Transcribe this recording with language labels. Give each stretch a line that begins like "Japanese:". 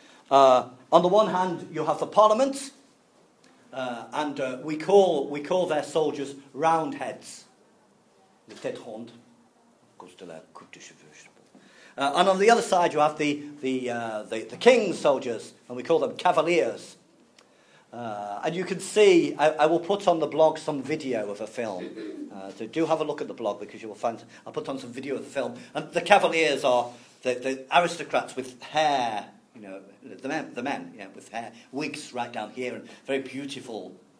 English: On the one hand, you have the Parliament, and we call their soldiers roundheads.
French: Les têtes rondes, à cause de la coupe de cheveux, je sais pas.
English: And on the other side, you have the king's soldiers, and we call them cavaliers. And you can see, I will put on the blog some video of a film. So do have a look at the blog because you will find, I'll put on some video of the film. And the cavaliers are the aristocrats with hair, you know, the men, yeah, with hair, wigs right down here, and very beautiful.